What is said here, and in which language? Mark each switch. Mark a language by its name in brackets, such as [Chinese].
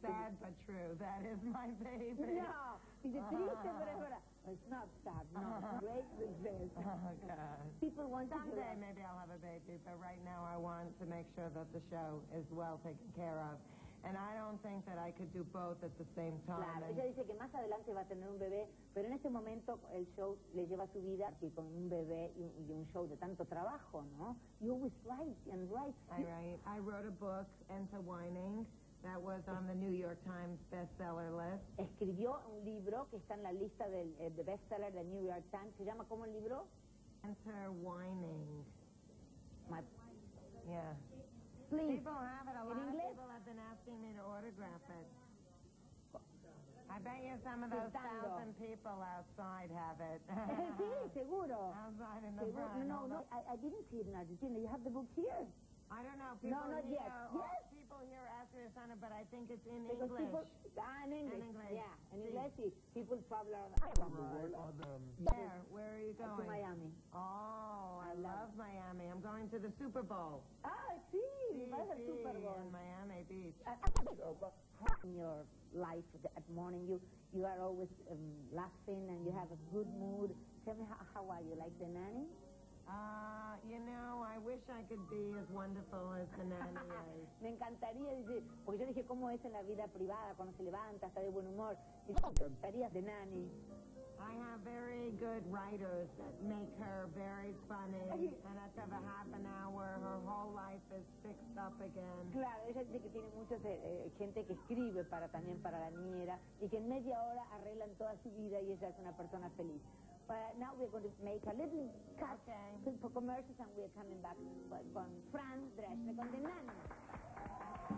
[English] Sad but true, that is my baby. [Spanish] No, dice triste, pero es verdad. [English] It's not sad, no, great success. Oh, God. People want someday to do that. Maybe I'll have a baby, but right now I want to make sure that the show is well taken care of. And I don't think that I could do both at the same time. [Spanish] Claro, ella dice que más adelante va a tener un bebé, pero en este momento el show le lleva su vida, y con un bebé y un show de tanto trabajo, ¿no? [English] You always write and write. I wrote a book, Enter Whining, that was on the New York Times bestseller list. [Spanish] Escribió un libro que está en la lista del de bestseller de New York Times. ¿Se llama cómo el libro? [English] Enter Whining. Yeah. Please. People have it. A lot of people have been asking me to autograph it. I bet you some of those 1,000 people outside have it. [Spanish] Sí, seguro. [English] Outside in the front. No, I didn't see it in Argentina. You have the book here. I don't know. People no, not here, yet. Yes. People here after it's on it, but I think it's in because English. People, in English. Yeah, in English. Sí. People travel around. There, where are you going? To Miami. Oh, I love Miami. I'm going to the Super Bowl. [Spanish] Ah, sí. [English] Miami Beach. In your life at morning, you are always laughing and you have a good mood. Tell me, how are you? Like the nanny? I wish I could be as wonderful as the nanny is. [Spanish] Me encantaría, dice, porque yo dije, ¿cómo es en la vida privada cuando se levanta, está de buen humor? Y me encantaría de nanny. [English] I have very good writers that make her very funny, and after a half an hour, her whole life is fixed up again. [Spanish] Claro, ella dice que tiene mucha gente que escribe para también para la niñera, y que en media hora arreglan toda su vida y ella es una persona feliz. [English] But now we're going to make a little cut for commercials, and we're coming back con Fran Dresher, con the nanny.